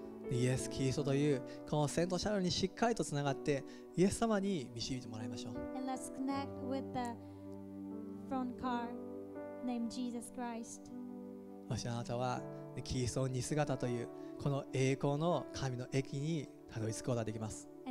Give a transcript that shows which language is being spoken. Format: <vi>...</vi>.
<ja>イエス・キリストというこの先頭車輪にしっかりとつながってイエス様に導いてもらいましょう。</ja> <en>And let's connect with the front car named Jesus Christ.</en> <ja>もしあなたはキリストの似姿というこの栄光の神の益にたどり着くことができます。</ja>